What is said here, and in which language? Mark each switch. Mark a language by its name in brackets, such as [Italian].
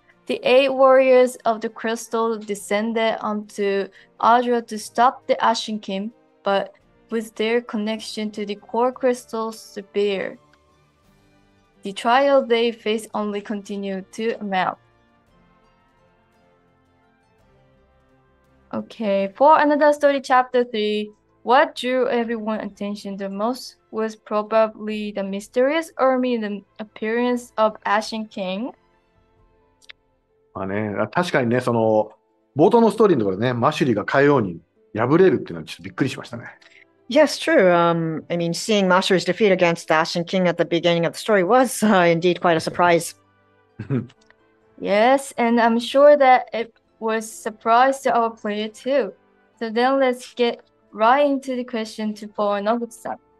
[English] The eight warriors of the crystal descended onto Ardra to stop the Ashen King, but with their connection to the core crystal severe, the trial they face only continued to amount. Okay, for another story, chapter 3, what drew everyone's attention the most was probably the mysterious army and the appearance of Ashen King. [Japanese] まあね、確かにね、その冒頭のストーリーのところでね、マシュリが海王に敗れるっていうのはちょっとびっくりしましたね。 [English] Yes, true. I mean, seeing Mashuri's defeat against the Ashen King at the beginning of the story was indeed quite a surprise. Yes, and I'm sure that it was a surprise to our player too. So then let's get right into the question to Paul and Augustan.